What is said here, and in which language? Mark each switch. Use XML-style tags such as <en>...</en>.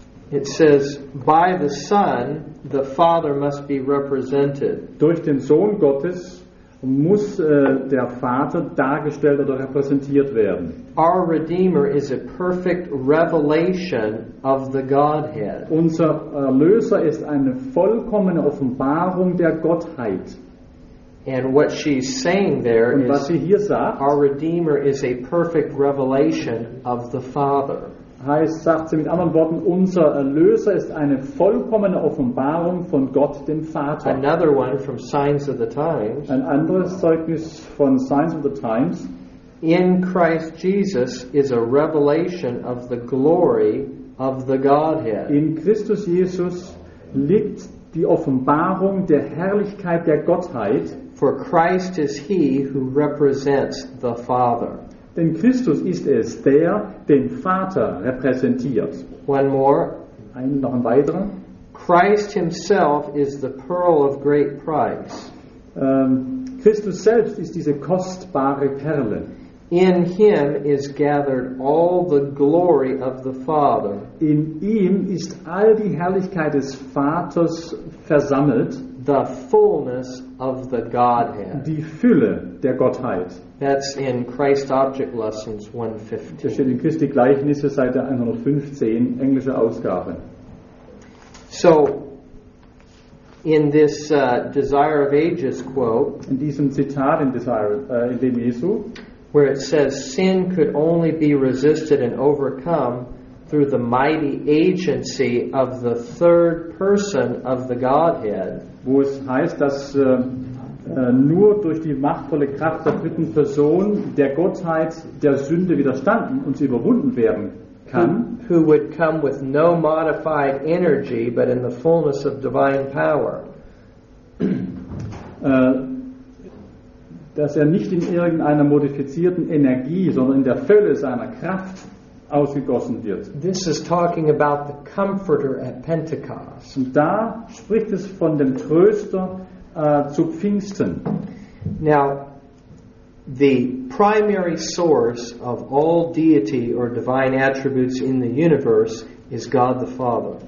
<en>It says, by the Son, the Father must be represented.</en> <de>Durch den Sohn Gottes muss der Vater dargestellt oder repräsentiert werden.</de> <en>Our Redeemer is a perfect revelation of the Godhead.</en> <de>Unser Erlöser ist eine vollkommene Offenbarung der Gottheit.</de> <en>And what she's saying there</en> <de>und was sie hier sagt,</de> <en>is our Redeemer is a perfect revelation of the Father.</en> <de>Heißt, sagt sie mit anderen Worten, unser Erlöser ist eine vollkommene Offenbarung von Gott, dem Vater.</de> <en>Another one from Signs of the Times.</en> <de>Ein anderes Zeugnis von Signs of the Times.</de> <en>In Christ Jesus is a revelation of the glory of the Godhead.</en> <de>In Christus Jesus liegt die Offenbarung der Herrlichkeit der Gottheit.</de> <en>For Christ is he who represents the Father.</en> <de>Denn Christus ist es, der den Vater repräsentiert.</de> <en>One more.</en> <de>Einen noch einen weiteren.</de> <en>Christ himself is the pearl of great price.</en> <de>Christus selbst ist diese kostbare Perle.</de> <en>In him is gathered all the glory of the Father.</en> <de>In ihm ist all die Herrlichkeit des Vaters versammelt.</de> <en>The fullness of the Godhead.</en> <de>Die Fülle der Gottheit.</de> <en>That's in Christ Object Lessons 115.</en> <de>Das steht in Christi Gleichnisse, Seite 115, englische Ausgabe.</de> <en>So, in this Desire of Ages quote,</en> <de>in diesem Zitat in Desire, in dem Jesu,</de> <en>where it says, sin could only be resisted and overcome through the mighty agency of the third person of the Godhead.</en> <de>Wo es heißt, dass nur durch die machtvolle Kraft der dritten Person der Gottheit der Sünde widerstanden und sie überwunden werden kann.</de> <en>Who would come with no modified energy, but in the fullness of divine power.</en> <de>Dass er nicht in irgendeiner modifizierten Energie, sondern in der Fülle seiner Kraft ausgegossen wird.</de> <en>This is talking about the Comforter at Pentecost.</en> <de>Und da spricht es von dem Tröster zu Pfingsten.</de> <en>Now, the primary source of all deity or divine attributes in the universe is God the Father.</en>